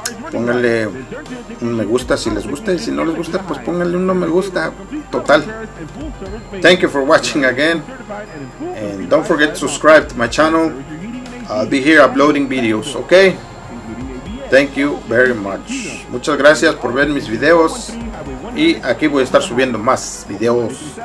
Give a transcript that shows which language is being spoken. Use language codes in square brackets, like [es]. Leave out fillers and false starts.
[es] Pónganle un me gusta si les gusta, y si no les gusta, pues pónganle un no me gusta. Total. [en] Thank you for watching again, and don't forget to subscribe to my channel. I'll be here uploading videos. Okay. [es] Thank you very much. Muchas gracias por ver mis videos. Y aquí voy a estar subiendo más videos.